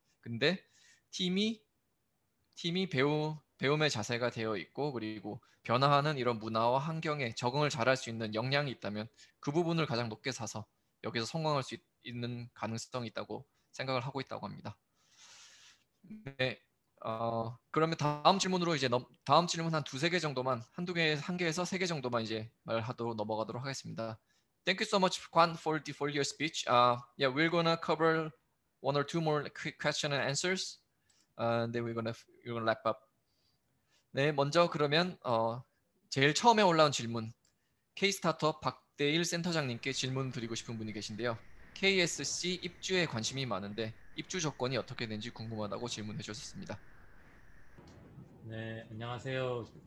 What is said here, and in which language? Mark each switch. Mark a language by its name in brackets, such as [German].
[Korean] 근데 팀이 배움의 자세가 되어 있고 그리고 변화하는 이런 문화와 환경에 적응을 잘할 수 있는 역량이 있다면 그 부분을 가장 높게 사서 여기서 성공할 수 있는 가능성이 있다고 생각을 하고 있다고 합니다. 네, 그러면 다음 질문으로 이제 다음 질문 한 두세 개 정도만 한두 개 한 개에서 세 개 정도만 이제 말하도록 넘어가도록 하겠습니다. [English] Thank you so much, Juan, for your speech. Yeah, we're gonna cover one or two more quick questions and answers, and then we're gonna wrap up. [Korean] 네, 먼저 그러면 제일 처음에 올라온 질문, K-Startup 박대일 센터장님께 질문 드리고 싶은 분이 계신데요. KSC 입주에 관심이 많은데 입주 조건이 어떻게 된지 궁금하다고 질문해 주셨습니다. 네, 안녕하세요.